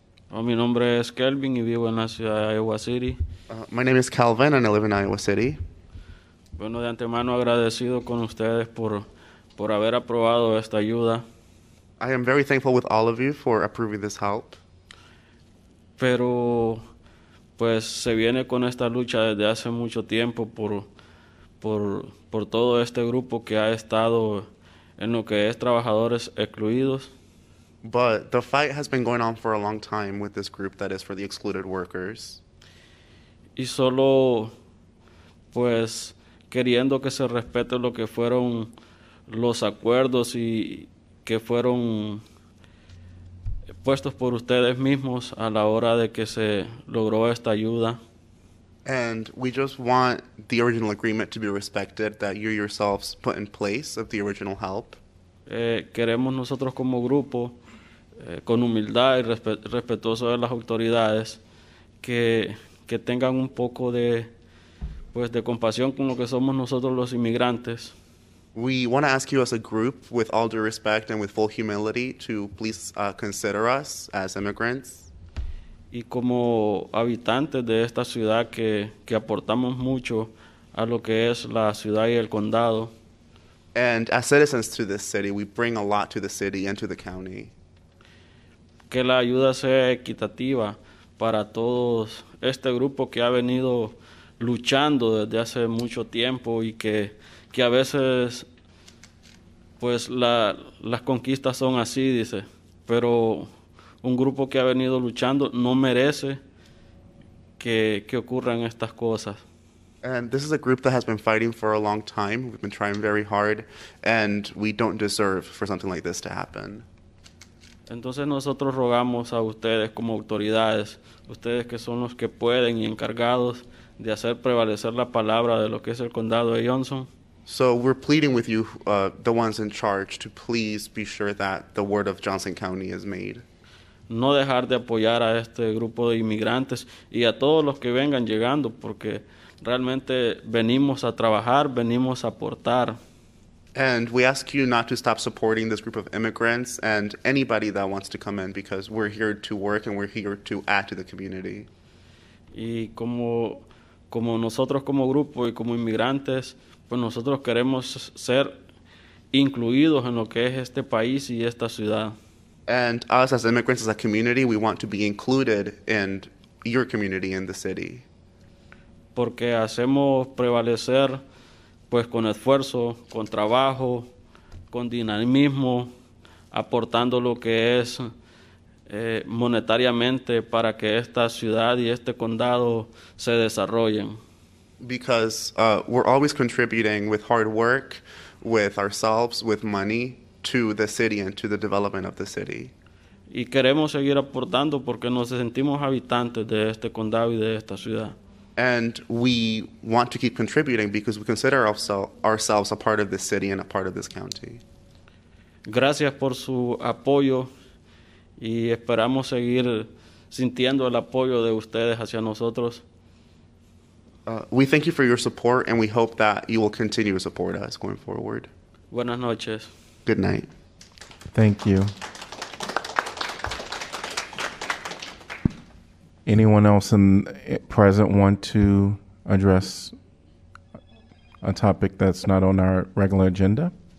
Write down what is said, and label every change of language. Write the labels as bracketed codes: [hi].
[es] Mi nombre es Kelvin y vivo en la ciudad de Iowa City. [en] My name is Calvin and I live in Iowa City. [es] Bueno, de antemano agradecido con ustedes por haber aprobado esta ayuda. [en] I am very thankful with all of you for approving this help. [es] Pero, pues, se viene con esta lucha desde hace mucho tiempo por todo este grupo que ha estado en lo que es trabajadores excluidos. [en] But the fight has been going on for a long time with this group that is for the excluded workers. [es] Y solo, pues, queriendo que se respete lo que fueron los acuerdos y que fueron puestos por ustedes mismos a la hora de que se logró esta ayuda. [en] And we just want the original agreement to be respected that you yourselves put in place of the original help. [es] Queremos nosotros como grupo, con humildad y respetuoso de las autoridades, que tengan un poco de, pues, de compasión con lo que somos nosotros los inmigrantes. [en] We want to ask you as a group, with all due respect and with full humility, to please consider us as immigrants. [es] Y como habitantes de esta ciudad que aportamos mucho a lo que es la ciudad y el condado. [en] And as citizens to this city, we bring a lot to the city and to the county. [es] Que la ayuda sea equitativa para todos este grupo que ha venido luchando desde hace mucho tiempo y que a veces, pues, las conquistas son así, dice, pero un grupo que ha venido luchando no merece que ocurran estas cosas. [en] And this is a group that has been fighting for a long time. We've been trying very hard, and we don't deserve for something like this to happen. [es] Entonces nosotros rogamos a ustedes como autoridades, ustedes que son los que pueden y encargados de hacer prevalecer la palabra de lo que es el condado de Johnson. [en] So we're pleading with you, the ones in charge, to please be sure that the word of Johnson County is made. [es] No dejar de apoyar a este grupo de inmigrantes y a todos los que vengan llegando, porque realmente venimos a trabajar, venimos a aportar. [en] And we ask you not to stop supporting this group of immigrants and anybody that wants to come in, because we're here to work and we're here to add to the community. [es] Y como nosotros como grupo y como inmigrantes, pues nosotros queremos ser incluidos en lo que es este país y esta ciudad. [en] And us as immigrants, as a community, we want to be included in your community, in the city. [es] Porque hacemos prevalecer, pues con esfuerzo, con trabajo, con dinamismo, aportando lo que es monetariamente para que esta ciudad y este condado se desarrollen. [en] Because we're always contributing with hard work, with ourselves, with money, to the city and to the development of the city. [es] Y queremos seguir aportando porque nos sentimos habitantes de este condado y de esta ciudad. [en] And we want to keep contributing because we consider ourselves a part of this city and a part of this county. [es] Gracias por su apoyo y esperamos seguir sintiendo el apoyo de ustedes hacia nosotros. [en] We thank you for your support and we hope that you will continue to support us going forward. [es] Buenas noches. [en] Good night. Thank you. Anyone else in present want to address a topic that's not on our regular agenda?